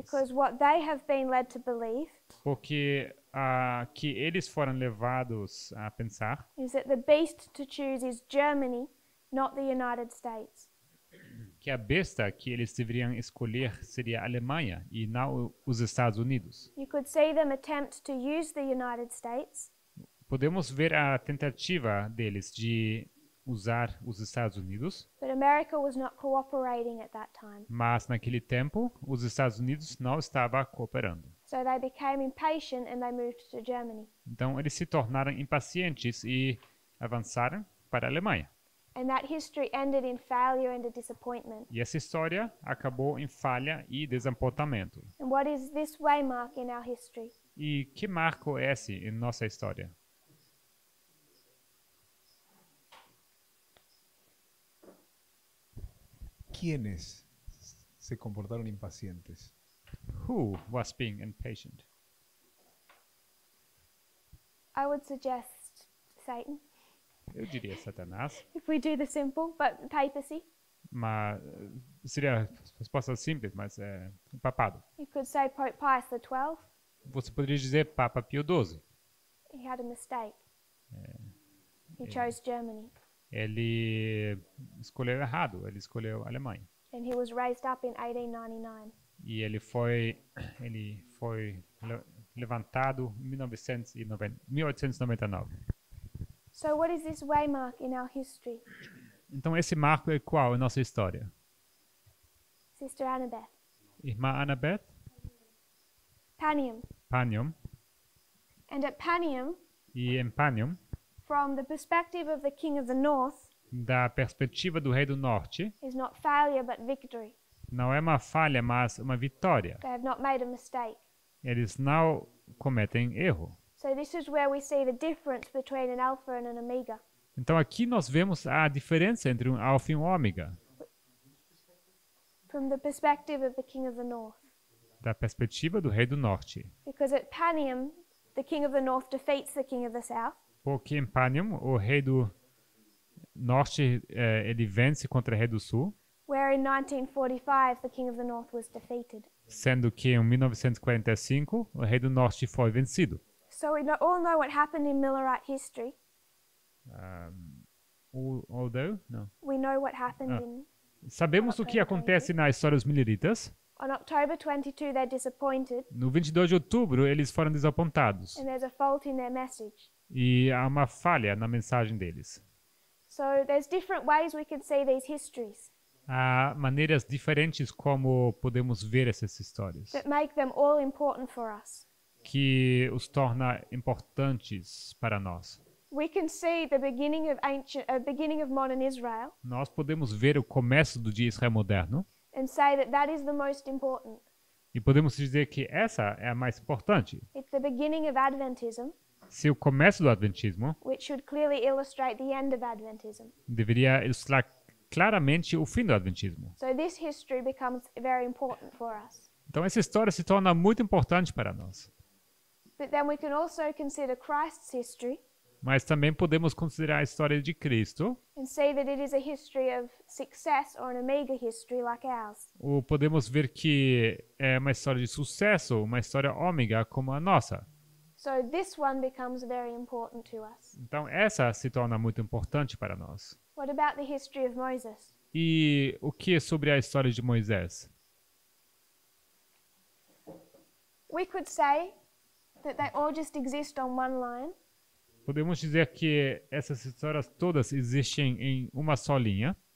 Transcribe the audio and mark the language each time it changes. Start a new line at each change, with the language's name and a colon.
English: Because what they have been led to believe,
Portuguese: porque que eles foram levados a pensar,
English: is that the beast to choose is Germany, not the United States.
Portuguese: Que a besta que eles deveriam escolher seria a Alemanha e não os Estados Unidos.
English: You could see them attempt to use the United States.
Portuguese: Podemos ver a tentativa deles de usar os Estados Unidos.
English: But America was not cooperating at that time.
Portuguese: Mas naquele tempo, os Estados Unidos não estavam cooperando.
English: So they became impatient and they moved to Germany.
Portuguese: Então eles se tornaram impacientes e avançaram para a Alemanha.
English: And that history ended in failure and a disappointment.
Portuguese: E essa história acabou em falha e desapontamento.
English: And what is this way mark in our history?
Portuguese: E que marco é esse em nossa história?
Spanish: ¿Quiénes se comportaron impacientes?
English: Who was being impatient? I would suggest Satan.
Portuguese: Eu diria Satanás.
English: If we do the simple, but papacy.
Portuguese: Mas seria resposta simples, mas é papado.
English: You could say Pope Pius the 12th.
Portuguese: Você poderia dizer Papa Pio XII.
English: He had a mistake. He chose Germany.
Portuguese: Ele escolheu errado. Ele escolheu a Alemanha.
English: And he was raised up in 1899.
Portuguese: E ele foi levantado em 1899.
English: So what is this waymark in our history?
Portuguese: Então esse marco é qual em nossa história?
English: Sister Annabeth.
Portuguese: Irmã Annabeth.
English: Panium.
Portuguese: Panium.
English: And at Panium.
Portuguese: E em Panium.
English: From the perspective of the King of the North.
Portuguese: Da perspectiva do Rei do Norte.
English: Is not failure but victory.
Portuguese: Não é uma falha, mas uma vitória.
English: They have not made a mistake.
Portuguese: Eles não cometem erro.
English: So this is where we see the difference between an alpha and an omega.
Portuguese: Então aqui nós vemos a diferença entre um alfa e um ômega.
English: From the perspective of the King of the North.
Portuguese: Da perspectiva do Rei do Norte.
English: Because at Panium, the King of the North defeats the King of the South.
Portuguese: Porque em Panium, o Rei do Norte ele vence contra o Rei do Sul.
English: Where in 1945 the King of the North was defeated.
Portuguese: Sendo que em 1945 o Rei do Norte foi vencido.
English: So we all know what happened in Millerite history. We know what happened in.
Portuguese: Sabemos o que acontece na história dos mileritas.
English: On October 22, they're disappointed.
Portuguese: No 22 de outubro, eles foram desapontados.
English: And there's a fault in their message.
Portuguese: E há uma falha na mensagem deles.
English: So there's different ways we can see these histories.
Portuguese: Há maneiras diferentes como podemos ver essas histórias.
English: That make them all important for us.
Portuguese: Que os torna importantes para nós.
English: We can see the beginning of ancient, beginning of modern Israel.
Portuguese: Nós podemos ver o começo do dia Israel moderno.
English: And say that that is the most important.
Portuguese: E podemos dizer que essa é a mais importante.
English: It's the beginning of Adventism.
Portuguese: Se o começo do Adventismo.
English: Which should clearly illustrate the end of Adventism.
Portuguese: Deveria ilustrar claramente o fim do Adventismo.
English: So this history becomes very important for us.
Portuguese: Então essa história se torna muito importante para nós.
English: But then we can also consider Christ's history.
Portuguese: Mas também podemos considerar a história de Cristo.
English: And see that it is a history of success or an omega history like ours.
Portuguese: Ou podemos ver que é uma história de sucesso, uma história ômega como a nossa.
English: So this one becomes very important to us.
Portuguese: Então essa se torna muito importante para nós.
English: What about the history of Moses?
Portuguese: E o que é sobre a história de Moisés?
English: We could say that they all just exist on one line.
Portuguese: podemos dizer que essas histórias todas existem em uma só linha.